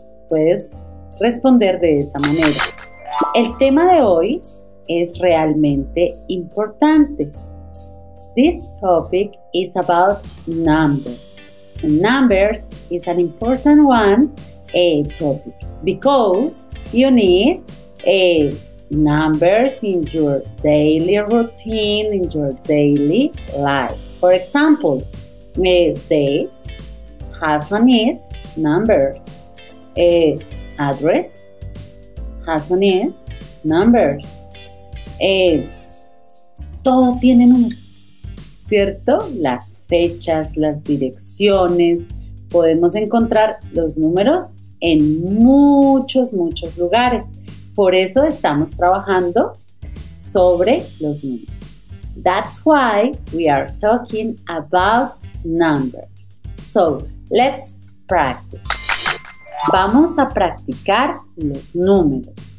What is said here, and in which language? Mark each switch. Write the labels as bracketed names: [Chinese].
[Spanish] Puedes responder de esa manera. El tema de hoy es realmente importante. [English] This topic is about numbers. Numbers is an important topic because you need numbers in your daily routine, in your daily life. For example, dates has on it numbers. Address has on it numbers. [Spanish] Todo tiene números, ¿cierto? Las fechas, las direcciones, podemos encontrar los números en muchos, muchos lugares. Por eso estamos trabajando sobre los números. [English] That's why we are talking about numbers. So, let's practice. [Spanish] Vamos a practicar los números.